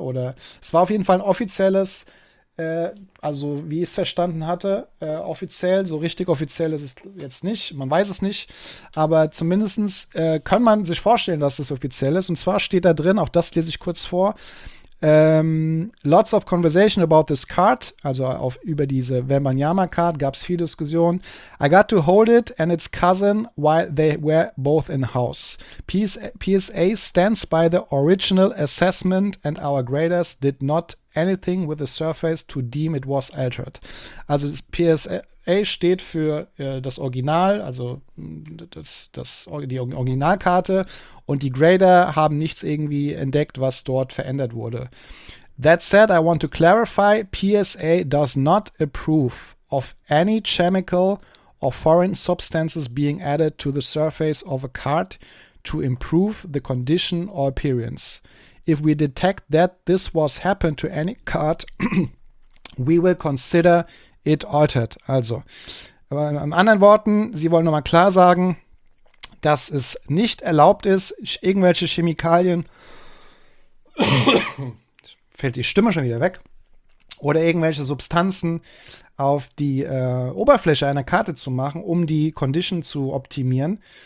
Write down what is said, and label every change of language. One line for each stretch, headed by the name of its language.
German: Oder es war auf jeden Fall ein offizielles, also wie ich es verstanden hatte, offiziell, so richtig offiziell ist es jetzt nicht, man weiß es nicht. Aber zumindest kann man sich vorstellen, dass es offiziell ist. Und zwar steht da drin, auch das lese ich kurz vor:
English: lots of conversation about this card,
German: also auf, über diese Wembanyama card gab es viel Diskussion.
English: I got to hold it and its cousin while they were both in house. PSA stands by the original assessment and our graders did not anything with the surface to deem it was altered.
German: Also das PSA steht für das Original, also die Originalkarte, und die Grader haben nichts irgendwie entdeckt, was dort verändert wurde.
English: That said, I want to clarify, PSA does not approve of any chemical or foreign substances being added to the surface of a card to improve the condition or appearance. If we detect that this was happened to any card, we will consider it altered.
German: Also, in anderen Worten, sie wollen nochmal klar sagen, dass es nicht erlaubt ist, irgendwelche Chemikalien, fällt die Stimme schon wieder weg, oder irgendwelche Substanzen auf die Oberfläche einer Karte zu machen, um die Condition zu optimieren.